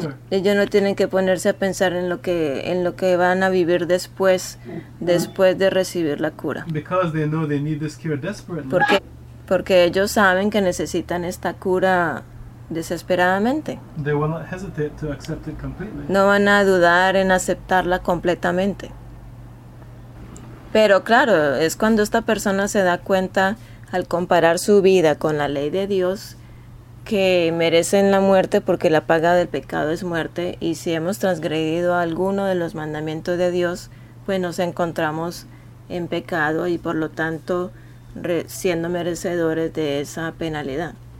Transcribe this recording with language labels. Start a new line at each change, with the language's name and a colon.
Spanish: Ellos no tienen que ponerse a pensar en lo que van a vivir después de recibir la cura.
English: Because they know they need this cure desperately.
Spanish: Porque ellos saben que necesitan esta cura desesperadamente.
English: They will not hesitate to accept it completely.
Spanish: No van a dudar en aceptarla completamente. Pero claro, es cuando esta persona se da cuenta al comparar su vida con la ley de Dios que merecen la muerte porque la paga del pecado es muerte, y si hemos transgredido alguno de los mandamientos de Dios, pues nos encontramos en pecado y por lo tanto siendo merecedores de esa penalidad.